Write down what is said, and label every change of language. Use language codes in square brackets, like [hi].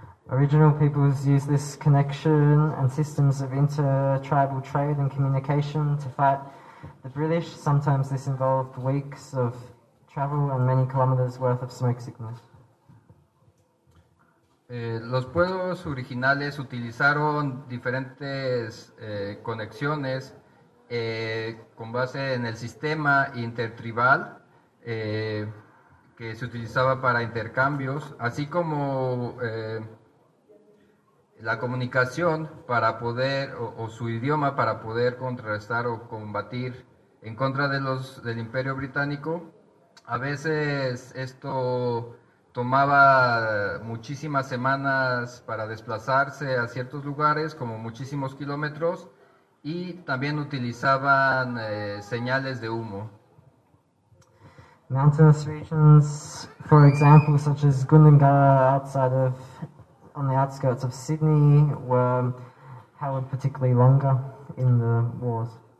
[en] Original peoples used this connection and systems of inter-tribal trade and communication to fight the British. Sometimes this involved weeks of travel and many kilometers worth of smoke sickness. [es] Los pueblos originales utilizaron diferentes conexiones con base en el sistema intertribal que se utilizaba para intercambios, así como la comunicación para poder, o su idioma para poder contrarrestar o combatir en contra de del Imperio Británico. A veces esto tomaba muchísimas semanas para desplazarse a ciertos lugares, como muchísimos kilómetros, y también utilizaban señales de humo. [en] Mountainous regions, for example, such as Gundungurra on the outskirts of Sydney, were held particularly longer in the wars.